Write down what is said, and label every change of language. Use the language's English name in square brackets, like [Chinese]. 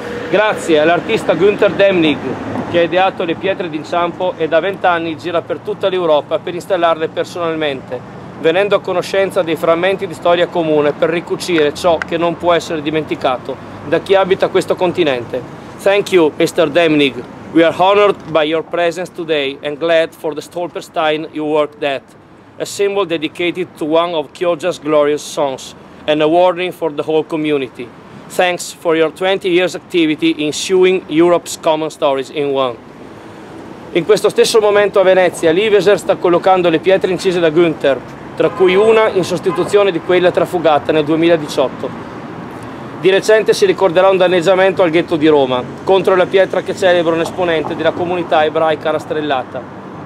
[Italian] Grazie all'artista Günther Demnig, che ha ideato le pietre d'inciampo e da 20 anni gira per tutta l'Europa per installarle personalmente, venendo a conoscenza dei frammenti di storia comune per ricucire ciò che non può essere dimenticato da chi abita questo continente. [English] Thank you, Mr. Demnig. We are honored by your presence today and glad for the Stolperstein you worked at, a symbol dedicated to one of Chioggia's glorious songs and a warning for the whole community. Thanks for your 20 years activity in sewing Europe's common stories in one. [Italian] In questo stesso momento a Venezia, l'Iveser sta collocando le pietre incise da Günther, tra cui una in sostituzione di quella trafugata nel 2018. Di recente si ricorderà un danneggiamento al ghetto di Roma, contro la pietra che celebra un esponente della comunità ebraica rastrellata.